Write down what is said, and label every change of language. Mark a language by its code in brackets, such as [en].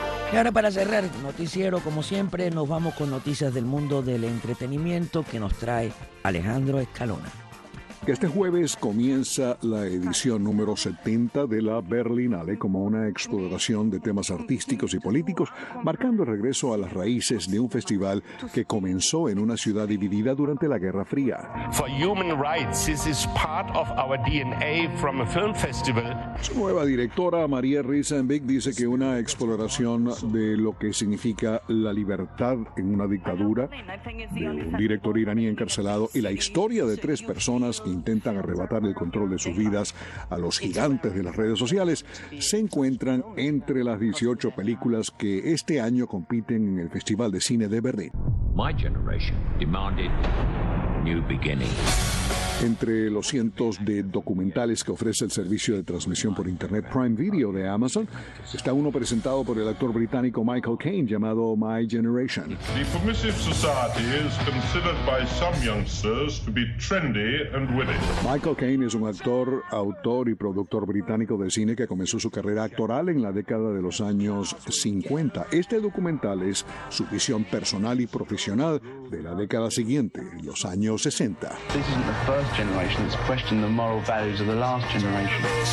[es] Y ahora, para cerrar el noticiero, como siempre, nos vamos con noticias del mundo del entretenimiento que nos trae Alejandro Escalona. Este jueves comienza la edición número 70 de la Berlinale como una exploración de temas artísticos y políticos, marcando el regreso a las raíces de un festival que comenzó en una ciudad dividida durante la Guerra Fría. [en] For human rights, this is part of our DNA from a film festival. [es] Su nueva directora, María Risenbeck, dice que una exploración de lo que significa la libertad en una dictadura, de un director iraní encarcelado y la historia de 3 personas intentan arrebatar el control de sus vidas a los gigantes de las redes sociales, se encuentran entre las 18 películas que este año compiten en el Festival de Cine de Berlín. [en] My generation demanded new beginnings. [es] Entre los cientos de documentales que ofrece el servicio de transmisión por Internet Prime Video de Amazon, está uno presentado por el actor británico Michael Caine, llamado My Generation. [en] The permissive society is considered by some youngsters to be trendy and witty. [es] Michael Caine es un actor, autor y productor británico de cine que comenzó su carrera actoral en la década de los años 50. Este documental es su visión personal y profesional de la década siguiente, los años 60. [en] This isn't the first previous generations questioned the moral values of the last generation.